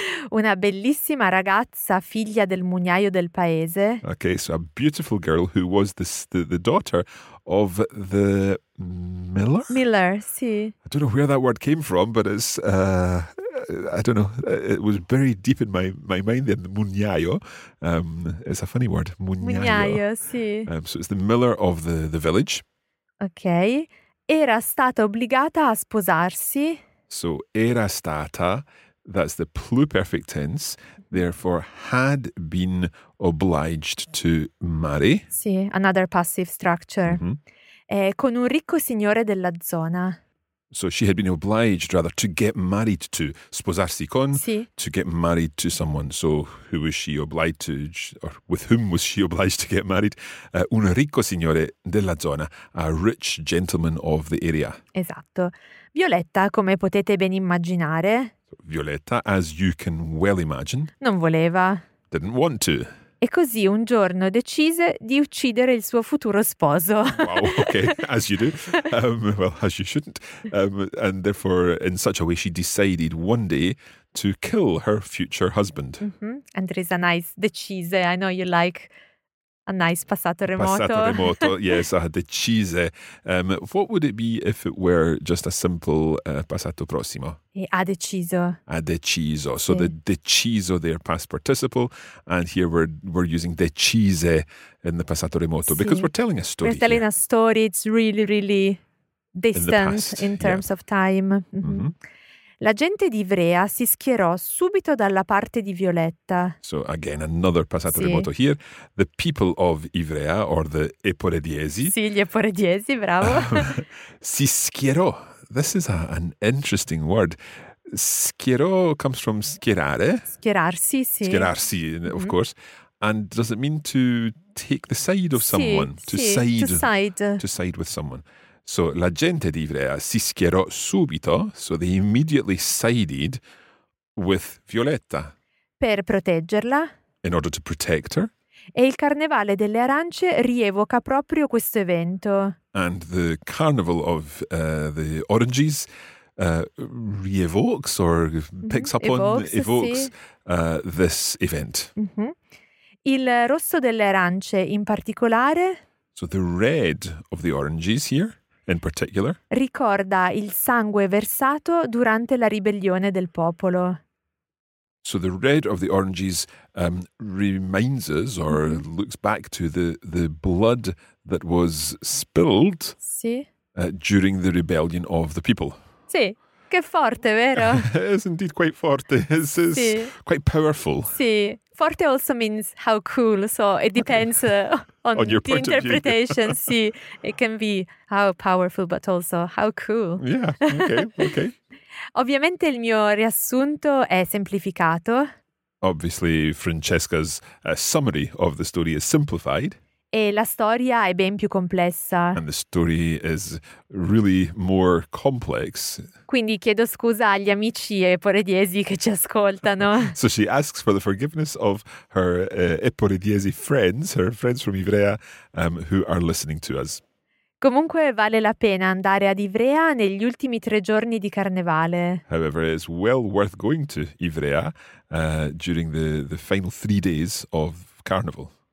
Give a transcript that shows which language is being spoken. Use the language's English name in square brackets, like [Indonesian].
[Italian] Una bellissima ragazza, figlia del mugnaio del paese. [English] Ok, so a beautiful girl who was the daughter of the miller? Miller, sì. I don't know where that word came from, but it's... I don't know. It was very deep in my mind then. Mugnaio. It's a funny word. [Italian] Mugnaio, sì. [English] So it's the miller of the village. Ok. [Italian] Era stata obbligata a sposarsi. [English] So [Italian] era stata, [English] that's the pluperfect tense, therefore had been obliged to marry. Sì, another passive structure. Mm-hmm. [Italian] Con un ricco signore della zona. [English] So she had been obliged, rather, to get married to, [Italian] sposarsi con, sì. [English] To get married to someone. So who was she obliged to, or with whom was she obliged to get married? [Italian] Un ricco signore della zona, [English] a rich gentleman of the area. [Italian] Esatto. Violetta, come potete ben immaginare. [English] Violetta, as you can well imagine. [Italian] Non voleva. [English] Didn't want to. [Italian] E così un giorno decise di uccidere il suo futuro sposo. [English] Wow, okay, as you do. Well, as you shouldn't. And therefore, in such a way, she decided one day to kill her future husband. Mm-hmm. Andresa, nice, decise. I know you like a nice passato remoto. Passato remoto, yes, decise. What would it be if it were just a simple passato prossimo? [Italian] Ha deciso. Ha deciso. [English] So sì. The deciso there, past participle. And here we're using decise in the passato remoto. [Italian] Sì. [English] Because we're telling a story. We're telling here. A story. It's really, really distant in terms of time. Mm-hmm. Mm-hmm. [Italian] La gente di Ivrea si schierò subito dalla parte di Violetta. [English] So again, another passato sì. Remoto here. The people of Ivrea, or the Eporediesi. [Italian] Sì, gli Eporediesi, bravo. Si schierò. [English] This is an interesting word. Schierò comes from schierare. [Italian] Schierarsi, sì. [English] Schierarsi, of mm-hmm. course. And does it mean to take the side of [Italian] sì, [English] someone? To sì, side. To side. To side with someone. So, [Italian] la gente di Ivrea si schierò subito, [English] so they immediately sided with Violetta. [Italian] Per proteggerla. [English] In order to protect her. [Italian] E il Carnevale delle Arance rievoca proprio questo evento. [English] And the Carnival of the Oranges rievokes or picks up evokes, on, evokes [Italian] sì. [English] This event. Mm-hmm. [Italian] Il rosso delle arance in particolare. [English] So the red of the oranges here. In particular, [Italian] ricorda il sangue versato durante la ribellione del popolo. [English] So the red of the oranges reminds us or looks back to the blood that was spilled [Italian] sì. [English] During the rebellion of the people. [Italian] Sì, che forte, vero? [English] It's indeed quite forte. It's sì. Quite powerful. [Italian] Sì. [English] Forte also means how cool, so it depends on your the interpretation. See, sì, it can be how powerful, but also how cool. Yeah, okay, okay. [Italian] Ovviamente il mio riassunto è semplificato. [English] Obviously, Francesca's summary of the story is simplified. [Italian] E la storia è ben più complessa. [English] And the story is really more complex. [Italian] Quindi chiedo scusa agli amici eporediesi che ci ascoltano. [English] So she asks for the forgiveness of her eporediesi friends, her friends from Ivrea, who are listening to us. [Italian] Comunque vale la pena andare ad Ivrea negli ultimi tre giorni di carnevale. [English] However, it's well worth going to Ivrea during the final three days of carnival.